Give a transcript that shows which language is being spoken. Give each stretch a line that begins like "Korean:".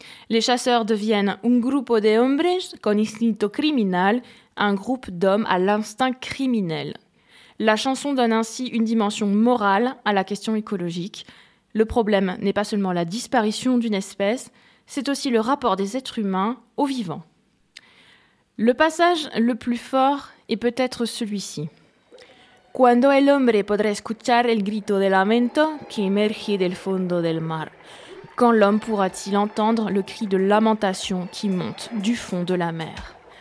French: Les chasseurs deviennent un
Spanish: grupo de hombres con instinto criminal,
French: un groupe d'hommes à l'instinct criminel. La chanson donne ainsi une dimension morale à la question écologique. Le problème n'est pas seulement la disparition d'une espèce, c'est aussi le rapport des êtres humains au vivant. Le passage le plus fort est peut-être celui-ci.
Spanish: Cuando el hombre podrá escuchar el grito de lamento que emerge del fondo del mar.
French: Quand l'homme pourra-t-il entendre le cri de lamentation qui monte du fond de la mer?